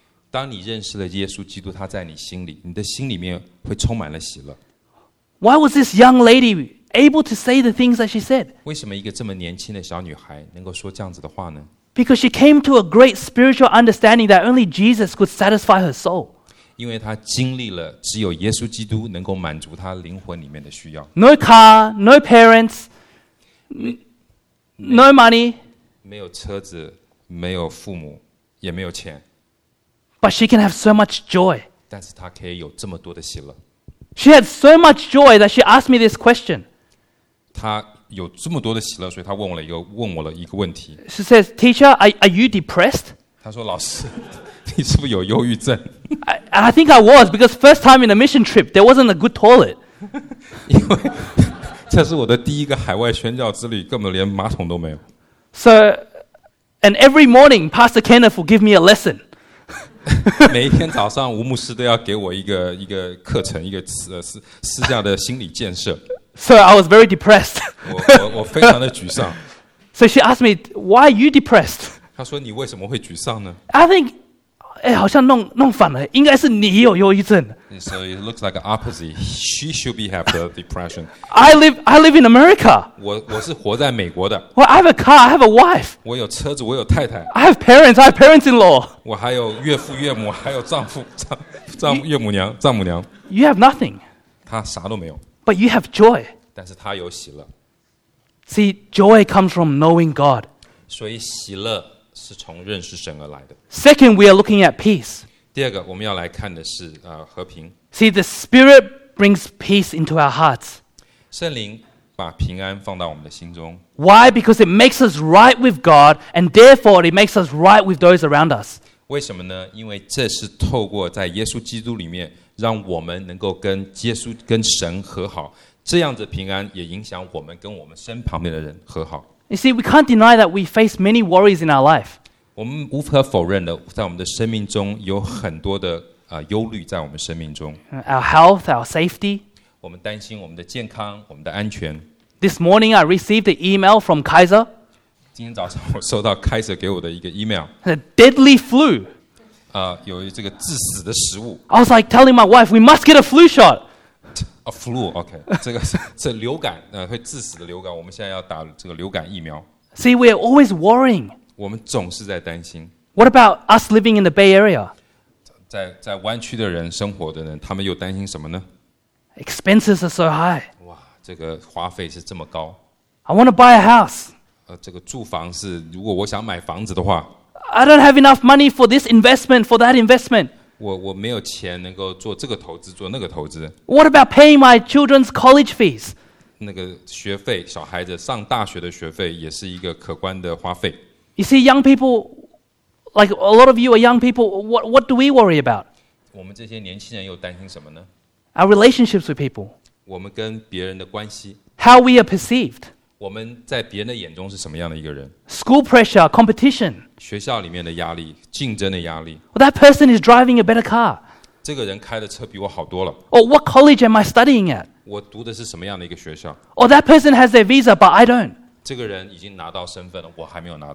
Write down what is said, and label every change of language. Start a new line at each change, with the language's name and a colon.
Chinese: 当你认识了耶稣基督，他在你心里，你的心里面会充满了喜乐。
English: Why was this young lady able to say the things that she said?
Chinese: 为什么一个这么年轻的小女孩能够说这样子的话呢
English: ？Because she came to a great spiritual understanding that only Jesus could satisfy her soul.
Chinese: 因为她经历了只有耶稣基督能够满足她灵魂里面的需要。
English: No car, no parents, no money.
Chinese: 没有车子，没有父母，也没有钱。
English: But she can have so much joy.
Chinese: 但是她可以有这么多的喜乐。
English: She had so much joy that she asked me this question.
Chinese: 她有这么多的喜乐，所以她问我了一个问题。
English: She says, "Teacher, are you depressed?"
Chinese: 她说老师，你是不是有忧郁症
English: ？And I think I was because first time in a mission trip, there wasn't a good toilet.
Chinese: 因为这是我的第一个海外宣教之旅，根本连马桶都没有。
English: So, and every morning, Pastor Kenneth will give me a lesson.
Chinese: 每一天早上，吴牧师都要给我一个课程，一个私下的心理建设。
English: So I was very depressed.
Chinese: 我非常的沮丧。
English: So she asked me, "Why are you depressed?"
Chinese: 她说：“你为什么会沮丧呢
English: ？”I think
Chinese: 哎，好像弄反了，应该是你有忧郁症。
English: So it looks like the opposite. She should be have the depression. I live in America.
Chinese: 我是活在美国的。
English: Well, I have a car. I have a wife.
Chinese: 我有车子，我有太太。
English: I have parents. I have parents-in-law.
Chinese: 我还有岳父岳母，还有丈夫丈岳母娘丈母娘。
English: You have nothing.
Chinese: 他啥都没有。
English: But you have joy.
Chinese: 但是他有喜乐。
English: See, joy comes from knowing God.
Chinese: 所以喜乐是从认识神而来的。
English: Second, we are looking at peace.
Chinese: 第二个我们要来看的是和平。
English: See, the Spirit brings peace into our hearts.
Chinese: 圣灵把平安放到我们的心中。
English: Why? Because it makes us right with God, and therefore it makes us right with those around us.
Chinese: 为什么呢？因为这是透过在耶稣基督里面，让我们能够跟耶稣跟神和好。这样子平安也影响我们跟我们身旁边的人和好。
English: You see, we can't deny that we face many worries in our life.
Chinese: 我们无可否认的，在我们的生命中有很多的忧虑在我们生命中。
English: Our health, our safety.
Chinese: 我们担心我们的健康，我们的安全。
English: This morning, I received an email from Kaiser.
Chinese: 今天早上我收到 Kaiser 给我的一个 email.
English: A deadly flu.
Chinese: 有这个致死的食物。
English: I was like telling my wife, we must get a flu shot. A flu, okay.
Chinese: 这个是流感，会致死的流感。我们现在要打这个流感疫苗。
English: See, we are always worrying.
Chinese: 我们总是在担心。
English: What about us living in the Bay Area?
Chinese: 在湾区的人生活的人，他们又担心什么呢
English: ？Expenses are so high.
Chinese: 哇，这个花费是这么高。
English: I want to buy a house.
Chinese: 这个住房是，如果我想买房子的话。
English: I don't have enough money for this investment, for that investment.
Chinese: 我没有钱能够做这个投资，做那个投资。
English: What about paying my children's college fees?
Chinese: 那个学费，小孩子上大学的学费也是一个可观的花费。
English: You see, young people, like a lot of you are young people, what do we worry about?
Chinese: 我们这些年轻人又担心什么呢
English: ？Our relationships with people.
Chinese: 我们跟别人的关系。
English: How we are perceived.
Chinese: 我们在别人的眼中是什么样的一个人
English: ？School pressure, competition.
Chinese: 学校里面的压力，竞争的压力。
English: Well, that person is driving a better car.
Chinese: 这个人开的车比我好多了。
English: Or what college am I studying at?
Chinese: 我读的是什么样的一个学校
English: ？Or that person has their visa, but I don't.
Chinese: 这个人已经拿到身份了，我还没有拿到。